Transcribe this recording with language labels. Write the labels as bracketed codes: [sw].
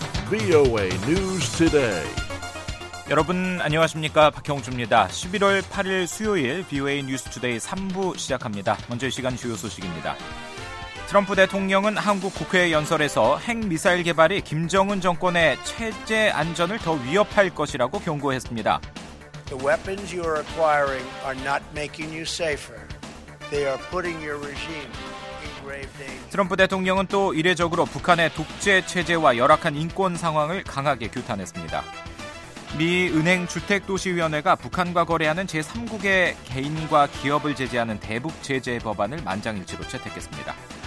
[ko] VOA News Today. 여러분 안녕하십니까? 박형주입니다. 11월 8일 수요일 VOA 뉴스 투데이 3부 시작합니다. 먼저 이 시간 주요 소식입니다. 트럼프 대통령은 한국 국회 연설에서 핵미사일 개발이 김정은 정권의 체제 안전을 더 위협할 것이라고 경고했습니다. [en] The weapons you are acquiring are not making you safer. They are putting your regime in grave danger. [ko] 트럼프 대통령은 또 이례적으로 북한의 독재 체제와 열악한 인권 상황을 강하게 규탄했습니다. 미 은행 주택도시위원회가 북한과 거래하는 제3국의 개인과 기업을 제재하는 대북 제재 법안을 만장일치로 채택했습니다.